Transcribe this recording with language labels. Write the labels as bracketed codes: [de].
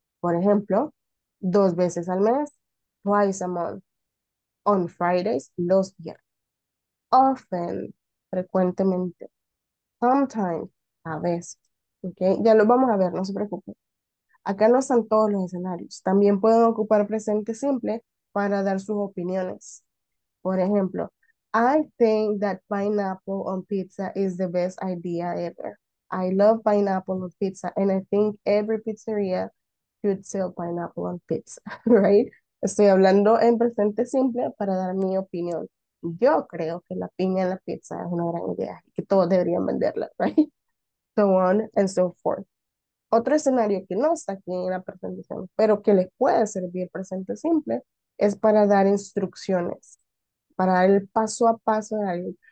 [es] Por ejemplo, dos veces al mes, [en] twice a month, on Fridays, [es] los viernes. Often, frecuentemente, sometimes, a veces, okay, ya lo vamos a ver, no se preocupen. Acá no están todos los escenarios, también pueden ocupar presente simple para dar sus opiniones. Por ejemplo, [en] I think that pineapple on pizza is the best idea ever. I love pineapple on pizza and I think every pizzeria should sell pineapple on pizza, right? [es] Estoy hablando en presente simple para dar mi opinión. Yo creo que la piña en la pizza es una gran idea y que todos deberían venderla, right? [en] So on and so forth. [es] Otro escenario que no está aquí en la presentación, pero que les puede servir presente simple, es para dar instrucciones, para dar el paso a paso de alguien.